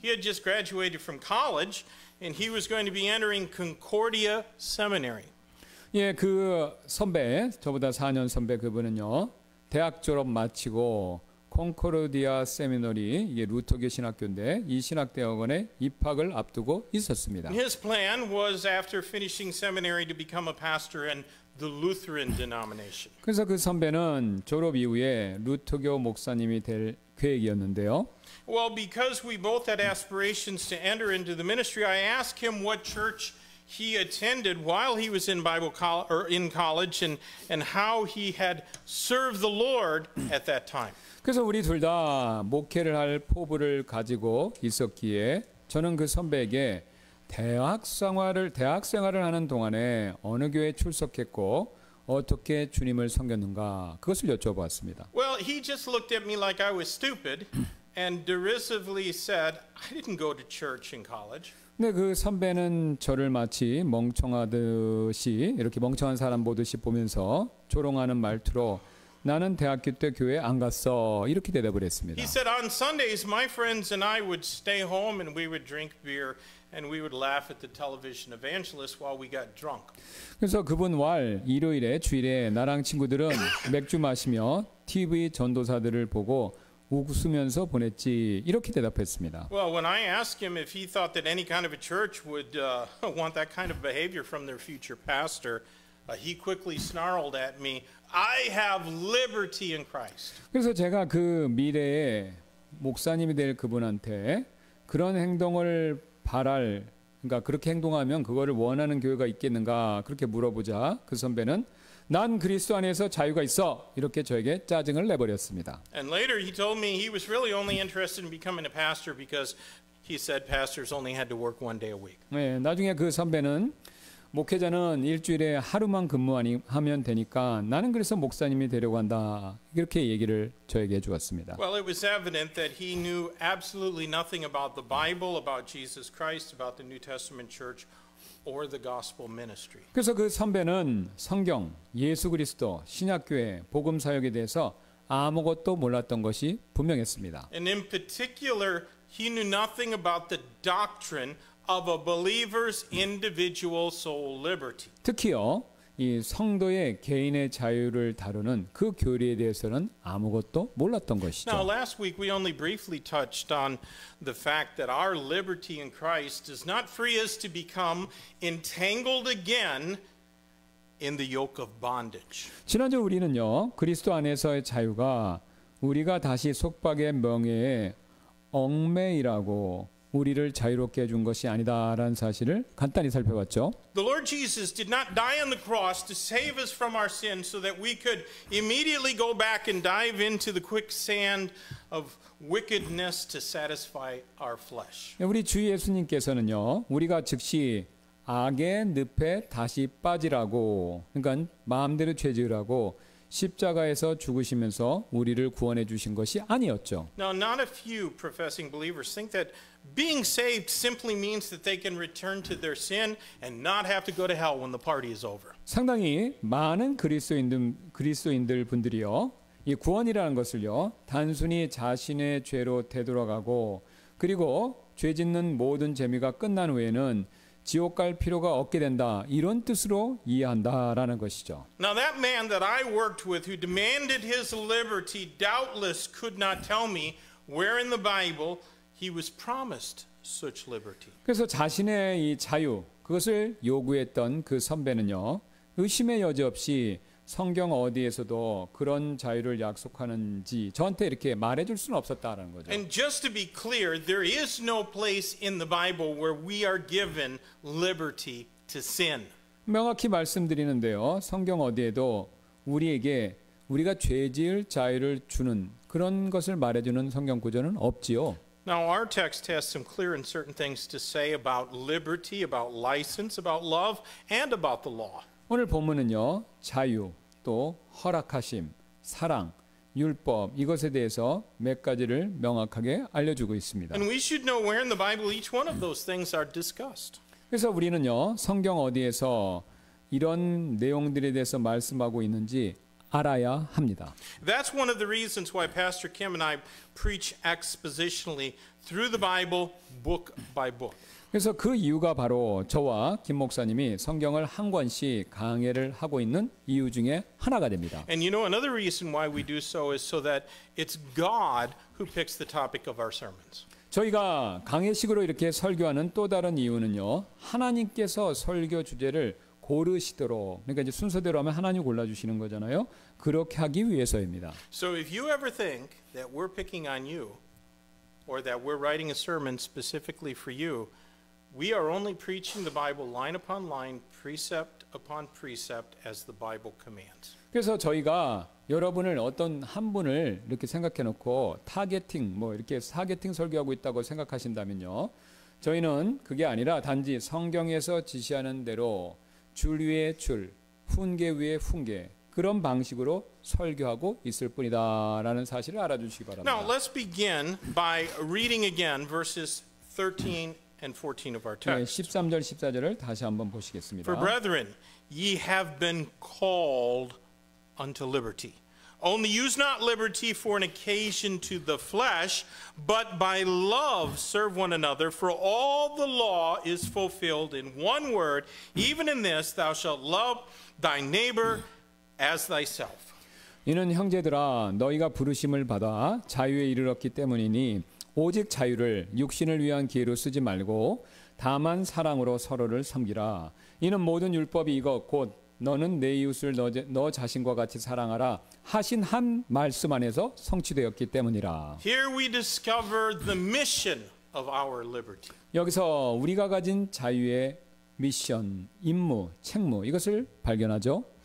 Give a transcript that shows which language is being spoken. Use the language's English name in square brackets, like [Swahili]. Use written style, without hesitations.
[English] He had just graduated from college and he was going to be entering Concordia Seminary. [Korean] 예, 그 선배, 저보다 4년 선배 그분은요. 대학 졸업 마치고 콘코르디아 세미너리, 이게 루터교 신학교인데 이 신학대학원에 입학을 앞두고 있었습니다. [English] His plan was after finishing seminary to become a pastor in the Lutheran denomination. [Korean] 그래서 그 선배는 졸업 이후에 루터교 목사님이 될 계획이었는데요. [English] Well, because we both had aspirations to enter into the ministry, I asked him what church he attended while he was in Bible college or in college, and how he had served the Lord at that time. [Korean] 그래서 우리 둘 다 목회를 할 포부를 가지고 있었기에 저는 그 선배에게 대학 생활을 하는 동안에 어느 교회에 출석했고 어떻게 주님을 섬겼는가 그것을 여쭤보았습니다. [English] Well, he just looked at me like I was stupid and derisively said, I didn't go to church in college. [Korean] 네, 그 선배는 저를 마치 멍청하듯이 이렇게 멍청한 사람 보듯이 보면서 조롱하는 말투로 나는 대학교 때 교회 안 갔어 이렇게 대답을 했습니다. [English] He said on Sundays my friends and I would stay home and we would drink beer and we would laugh at the television evangelists while we got drunk. [Korean] 그래서 그분 왈 일요일에 주일에 나랑 친구들은 맥주 마시며 TV 전도사들을 보고 웃으면서 보냈지 이렇게 대답했습니다. [English] Well, when I asked him if he thought that any kind of a church would want that kind of behavior from their future pastor, he quickly snarled at me, "I have liberty in Christ." [Korean] 그래서 제가 그 미래의 목사님이 될 그분한테 그런 행동을 바랄, 그러니까 그렇게 행동하면 그거를 원하는 교회가 있겠는가 그렇게 물어보자 그 선배는 난 그리스도 안에서 자유가 있어 이렇게 저에게 짜증을 내버렸습니다. [English] And later he told me he was really only interested in becoming a pastor because he said pastors only had to work one day a week. [Korean] 네, 나중에 그 선배는 목회자는 일주일에 하루만 근무하면 되니까 나는 그래서 목사님이 되려고 한다 이렇게 얘기를 저에게 해주었습니다. [English] Well, it was evident that he knew absolutely nothing about the Bible, about Jesus Christ, about the New Testament Church, or the gospel ministry. [Korean] 그래서 그 선배는 성경, 예수 그리스도, 신약교회, 복음 사역에 대해서 아무것도 몰랐던 것이 분명했습니다. [English] And in particular, he knew nothing about the doctrine of a believer's individual soul liberty. [Korean] 특히요, 이 성도의 개인의 자유를 다루는 그 교리에 대해서는 아무것도 몰랐던 것이죠. [English] Now, last week we only briefly touched on the fact that our liberty in Christ does not free us to become entangled again in the yoke of bondage. [Korean] 지난주 우리는요, 그리스도 안에서의 자유가 우리가 다시 속박의 멍에 얽매이라고 우리를 자유롭게 해준 것이 아니다라는 사실을 간단히 살펴봤죠. [English] The Lord Jesus did not die on the cross to save us from our sins so that we could immediately go back and dive into the quicksand of wickedness to satisfy our flesh. [Korean] 우리 주 예수님께서는요, 우리가 즉시 악의 늪에 다시 빠지라고, 그러니까 마음대로 죄지으라고 십자가에서 죽으시면서 우리를 구원해 주신 것이 아니었죠. [English] Now, not a few professing believers think that being saved simply means that they can return to their sin and not have to go to hell when the party is over. [Korean] 상당히 많은 그리스도인들 분들이요, 이 구원이라는 것을요, 단순히 자신의 죄로 되돌아가고 그리고 죄 짓는 모든 재미가 끝난 후에는 지옥 갈 필요가 없게 된다 이런 뜻으로 이해한다라는 것이죠. [English] Now that man that I worked with who demanded his liberty doubtless could not tell me where in the Bible he was promised such liberty. [Korean] 그래서 자신의 이 자유 그것을 요구했던 그 선배는요 의심의 여지 없이 성경 어디에서도 그런 자유를 약속하는지 저한테 이렇게 말해줄 수는 없었다라는 거죠. [English] And just to be clear, there is no place in the Bible where we are given liberty to sin. [Korean] 명확히 말씀드리는데요, 성경 어디에도 우리에게 우리가 죄지을 자유를 주는 그런 것을 말해주는 성경 구절은 없지요. [English] Now our text has some clear and certain things to say about liberty, about license, about love, and about the law. [Korean] 오늘 본문은요, 자유, 또 허락하심, 사랑, 율법 이것에 대해서 몇 가지를 명확하게 알려주고 있습니다. [English] And we should know where in the Bible each one of those things are discussed. [Korean] 그래서 우리는요, 성경 어디에서 이런 내용들에 대해서 말씀하고 있는지 알아야 합니다. [English] That's one of the reasons why Pastor Kim and I preach expositionally through the Bible book by book. [Korean] 그래서 그 이유가 바로 저와 김 목사님이 성경을 한 권씩 강해를 하고 있는 이유 중에 하나가 됩니다. [English] And you know another reason why we do so is so that it's God who picks the topic of our sermons. [Korean] 저희가 강해식으로 이렇게 설교하는 또 다른 이유는요. 하나님께서 설교 주제를 고르시도록 그러니까 이제 순서대로 하면 하나님 골라 주시는 거잖아요. 그렇게 하기 위해서입니다. [English] So if you ever think that we're picking on you or that we're writing a sermon specifically for you, we are only preaching the Bible line upon line, precept upon precept as the Bible commands. [Korean] 그래서 저희가 여러분을 어떤 한 분을 이렇게 생각해 놓고 타겟팅 뭐 이렇게 타겟팅 설교하고 있다고 생각하신다면요. 저희는 그게 아니라 단지 성경에서 지시하는 대로 줄 위에 줄, 훈계 위에 훈계 그런 방식으로 설교하고 있을 뿐이다라는 사실을 알아주시기 바랍니다. [English] Now let's begin by reading again verses 13 and 14 of our text. [Korean] 네, 13절, 14절을 다시 한번 보시겠습니다. [English] For brethren, ye have been called unto liberty. Only use not liberty for an occasion to the flesh, but by love serve one another. For all the law is fulfilled in one word, even in this, thou shalt love thy neighbor as thyself. [Korean] 이는 형제들아, 너희가 부르심을 받아 자유에 이르렀기 때문이니 오직 자유를 육신을 위한 기회로 쓰지 말고 다만 사랑으로 서로를 섬기라. 이는 모든 율법이 이것 곧 너는 내 이웃을 너 자신과 같이 사랑하라 하신 한 말씀 안에서 성취되었기 때문이라. [English] Here we discover the mission of our liberty. [Korean] 여기서 우리가 가진 자유의 미션, 임무, 책무 이것을 발견하죠.